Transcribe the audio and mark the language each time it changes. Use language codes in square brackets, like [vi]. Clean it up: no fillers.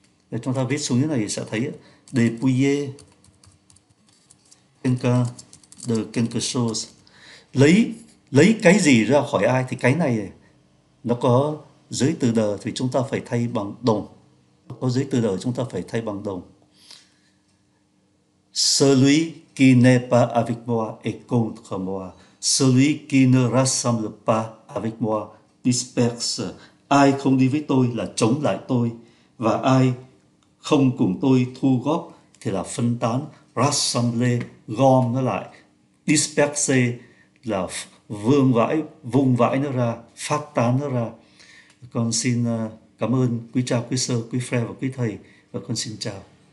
[vi] Để chúng ta viết xuống như này sẽ thấy [fr] dépouiller quelqu'un de quelque chose, [vi] lấy cái gì ra khỏi ai, thì cái này nó có giới từ đờ thì chúng ta phải thay bằng đồng, có giới từ đờ chúng ta phải thay bằng đồng. [fr] Celui qui n'est pas avec moi est contre moi, celui qui ne rassemble pas avec moi disperse. [vi] Ai không đi với tôi là chống lại tôi, và ai không cùng tôi thu góp thì là phân tán. Rassembler, gom nó lại, disperse là vương vãi, vung vãi nó ra, phát tán nó ra. Con xin cảm ơn quý cha, quý sơ, quý phre và quý thầy, và con xin chào.